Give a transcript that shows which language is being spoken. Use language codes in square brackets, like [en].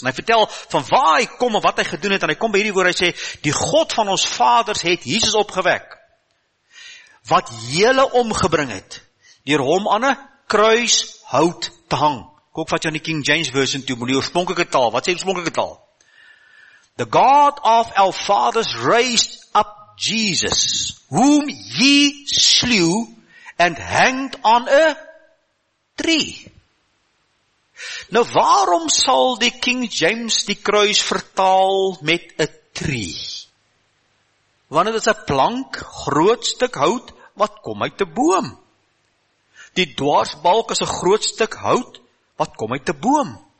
[af] En hy vertel van waar hy kom en wat hy gedoen het en hy kom by hierdie woord hy sê die God van ons vaders het Jesus opgewek. Wat julle omgebring het deur hom aan 'n kruis hout te hang. Kom ek vat jou in die King James version toe, die oorspronklike taal. Wat sê die oorspronklike taal? [en] The God of our fathers raised up Jesus, whom ye slew and hanged on a tree. [af] Nou waarom sal die King James die kruis vertaal met 'n tree? Want dit is 'n plank, groot stuk hout, wat kom uit 'n boom. Die dwarsbalk is 'n groot stuk hout, wat kom uit 'n boom.